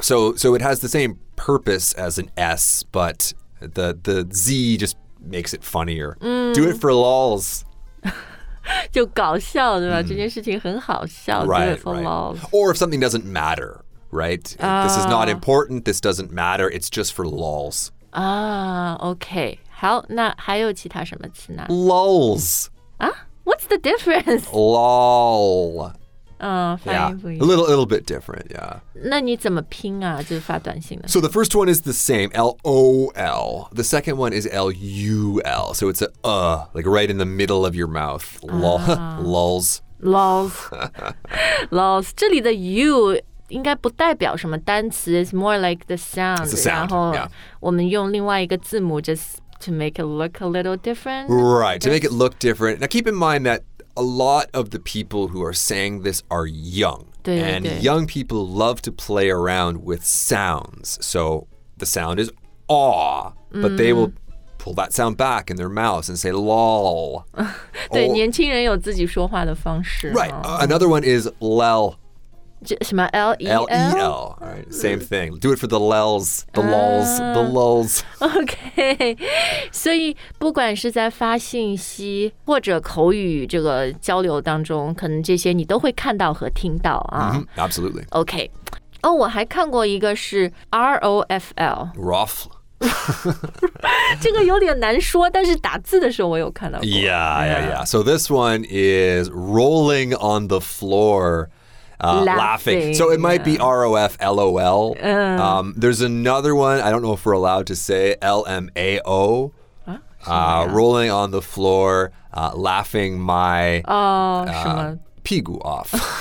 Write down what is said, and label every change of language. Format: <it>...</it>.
<en>So it has the same purpose as an S, but the Z just makes it funnier. Mm. Do it for lols.</en> <zh>就搞笑, 对吧?Mm. 这件事情很好笑,</zh> <en>right, do it for right. lols. Or if something doesn't matter, right? This is not important, this doesn't matter, it's just for lols. Okay.</en> <zh>好, 那还有其他什么词呢?</zh> <en>Lols. What's the difference? Lol. Yeah. A little bit different, yeah.</en> <zh>那你怎么拼啊, 就是发短信的?</zh> <en>So the first one is the same, L-O-L. The second one is L-U-L. So it's a like right in the middle of your mouth. Lols.</en> <zh>Lols. Lols. 这里的U 应该不代表什么单词,</zh> <en>it's more like the sound. It's the sound,</en> <zh>然后我们用另外一个字母</zh> <en>just to make it look a little different. Right, to make it look different. Now keep in mind that a lot of the people who are saying this are young.</en> <zh>对,</zh> <en>and</en> <zh>对.</zh> <en>Young people love to play around with sounds. So the sound is aw, but they will pull that sound back in their mouths and say lol.</en> <zh>对, 年轻人有自己说话的方式。</zh> <en>Right, another one is lel.</en> <zh>什么, L-E-L?</zh> <en>L-E-L. All right, same thing. Do it for the lels, the lols, the lols. Okay.</en> <zh>所以不管是在发信息 或者口语这个交流当中, 可能这些你都会看到和听到,</zh> <en>mm-hmm, absolutely. Okay.</en> <zh>哦,我还看过一个是 R-O-F-L.</zh> <en>Roffle.</en> <zh>这个有点难说, 但是打字的时候我有看到过。</zh> <en>Yeah, yeah, yeah. So this one is rolling on the floor. Laughing. So it might be R-O-F-L-O-L. There's another one, I don't know if we're allowed to say, L-M-A-O. Rolling on the floor, laughing my</en> <zh>屁股</zh> <en>off.</en>